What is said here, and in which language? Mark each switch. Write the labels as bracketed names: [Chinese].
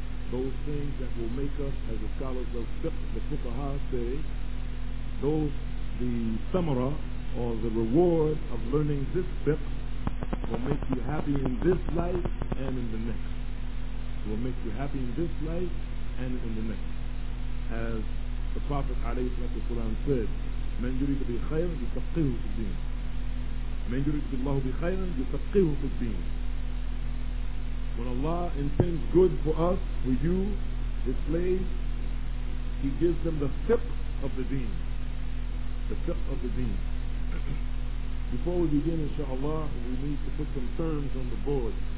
[English] Those things that will make us, as the scholars of fiqh, the fuqaha say, those, the thamara, or the reward of learning this fiqh, will make you happy in this life and in the next. Will make you happy in this life and in the next. As the Prophet alayhi wa sallam said, [Arabic] من يريد بخير يفقهه في الدين. من يريد الله بخير يفقهه في الدين. [English] When Allah intends good for us, for you, His slaves, He gives them the fiqh of the deen. The fiqh of the deen. Before we begin, inshallah, we need to put some terms on the board.